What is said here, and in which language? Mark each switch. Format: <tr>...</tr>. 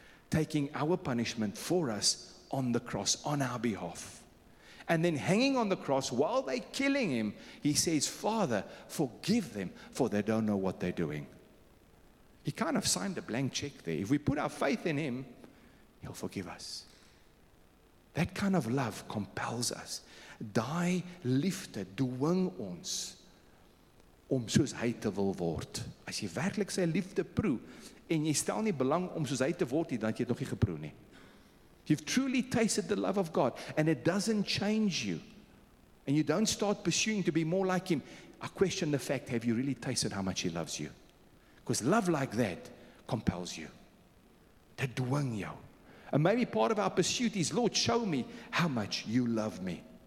<en>Taking our punishment for us on the cross, on our behalf. And then hanging on the cross while they're killing Him, He says, Father, forgive them, for they don't know what they're doing. He kind of signed a blank check there. If we put our faith in Him, He'll forgive us. That kind of love compels us.</en> <af>Die liefde dwing ons om soos hy te wil word. As jy werklik sy liefde proe en jy stel nie belang om soos hy te word nie, dan het jy het nog nie geproe nie.</af> <en>You've truly tasted the love of God and it doesn't change you. And you don't start pursuing to be more like Him. I question the fact, have you really tasted how much He loves you? Because love like that compels you.</en> <af>Dit dwing jou.</af> <en>And maybe part of our pursuit is, Lord, show me how much you love me.</en>